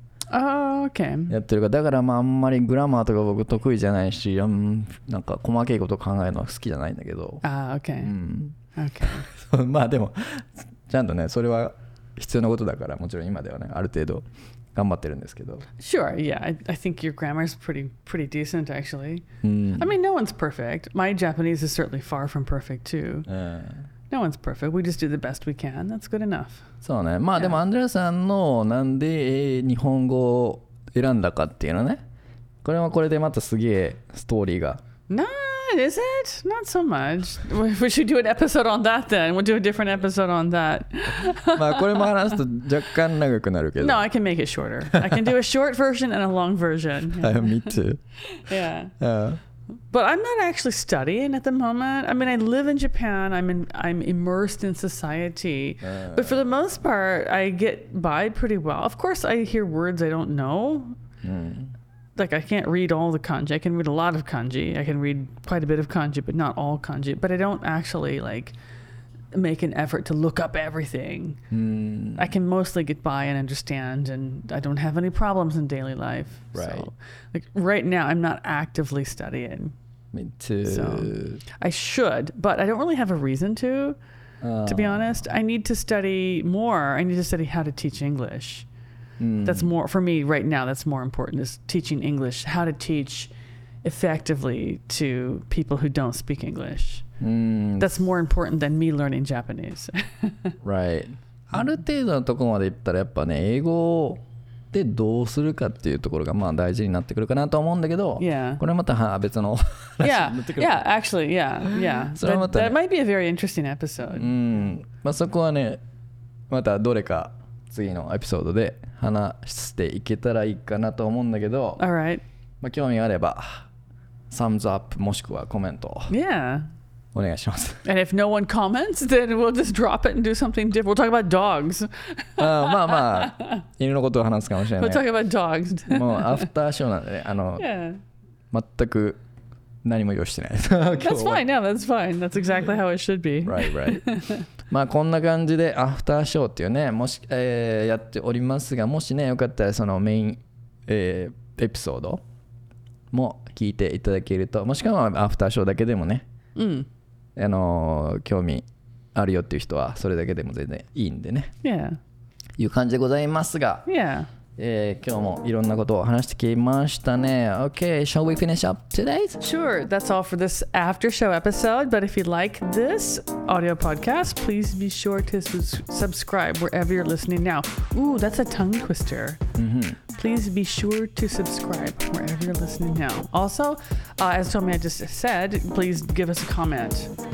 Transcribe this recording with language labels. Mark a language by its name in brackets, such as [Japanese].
[English] OK。 [Japanese] やってるから、だからまああんまりグラマーとか僕得意じゃないし、なんか細けいこと考えるのは好きじゃないんだけど。 [English] OK、うん。 OK 。 [Japanese] まあでも。ちゃんとねそれは必要なことだから、もちろん今ではねある程度頑張ってるんですけど。 [English] Sure, yeah, I think your grammar is pretty decent actually、うん、I mean no one's perfect. My Japanese is certainly far from perfect too、No one's perfect. We just do the best we can. That's good enough. [Japanese] そうね、まあ、yeah. でもアンドレアさんのなんで日本語を選んだかっていうのね、これはこれでまたすげえストーリーが。 [English] なあ、is it? Not so much. We should do an episode on that then. We'll do a different episode on that. [Japanese] まあこれも話すと若干長くなるけど。 [English] No, I can make it shorter. I can do a short version and a long version. Yeah, me too. Yeah. Yeah. But I'm not actually studying at the moment. I mean, I live in Japan. I'm immersed in society. But for the most part, I get by pretty well. Of course, I hear words I don't know. Like, I can't read all the kanji. I can read a lot of kanji. I can read quite a bit of kanji, but not all kanji. But I don't actually, like, make an effort to look up everything. I can mostly get by and understand, and I don't have any problems in daily life. Right. So, like, right now, I'm not actively studying. Me too. So, I should, but I don't really have a reason to. To be honest, I need to study more. I need to study how to teach English. That's more for me right now. That's more important, is teaching English, how to teach effectively to people who don't speak English. That's more important than me learning Japanese. Right. [Japanese] ある程度のところまで行ったらやっぱね、英語でどうするかっていうところがまあ大事になってくるかなと思うんだけど、 [English] yeah. [Japanese] これまた別の話になってくる。 [English] Yeah. Yeah. Actually, yeah. Yeah. [Japanese] それまた、ね、 [English] that might be a very interesting episode. [Japanese] まあそこはね、またどれか次のエピソードで話していけたらいいかなと思うんだけど。 [English] All right. [Japanese] まあ興味あればサムズアップもしくはコメント。 [English] Yeah. [Japanese] お願いします。 [English] And if no one comments, then we'll just drop it and do something different. We'll talk about dogs. [Japanese] まあまあ犬のことを話すかもしれない。 [English] We'll talk about dogs. [Japanese] もうアフターショーなんでね、 [English] Yeah. [Japanese] 全く何も用意してない。 [English] That's fine. Yeah, that's fine. That's exactly how it should be. Right, right. [Japanese] まあこんな感じでアフターショーっていうね、もし、やっておりますが、もしねよかったらそのメイン、エピソードも聞いていただけると、もしくはアフターショーだけでもね、うん、興味あるよっていう人はそれだけでも全然いいんでね、 [English] yeah. [Japanese] いう感じでございますが、 [English] yeah. [Japanese] 今日もいろんなことを話してきましたね。 [English] OK, shall we finish up today? Sure, that's all for this after show episode, but if you like thisAudio podcast, please be sure to subscribe wherever you're listening now. Ooh, that's a tongue twister. Mm-hmm. Please be sure to subscribe wherever you're listening now. Also, as Tomi had just said, please give us a comment.